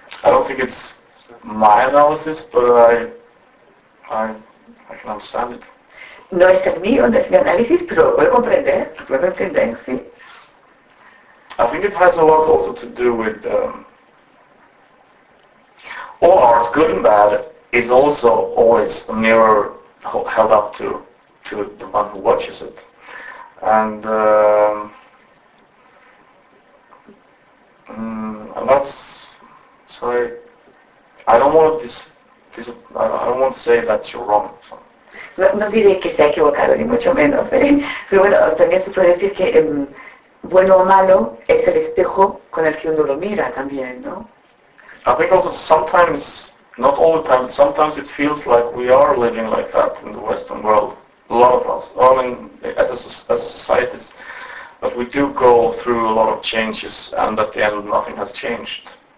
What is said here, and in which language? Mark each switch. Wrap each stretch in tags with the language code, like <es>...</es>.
<en>I don't think it's my analysis, but I can understand it.</en> <es>No es el mío, no es mi análisis, pero puedo entender, sí.</es> <en>I think it has a lot also to do with all art, good and bad, is also always a mirror held up to the one who watches it. And I don't want to say that you're wrong.</en> <es>No diré que sea equivocado, ni mucho menos, ¿eh? Pero bueno, también se puede decir que bueno o malo es el espejo con el que uno lo mira también, ¿no?</es> <en>I think also sometimes, not all the time, sometimes it feels like we are living like that in the Western world. A lot of us, I mean, as a society, but we do go through a lot of changes, and at the end, nothing has changed.</en>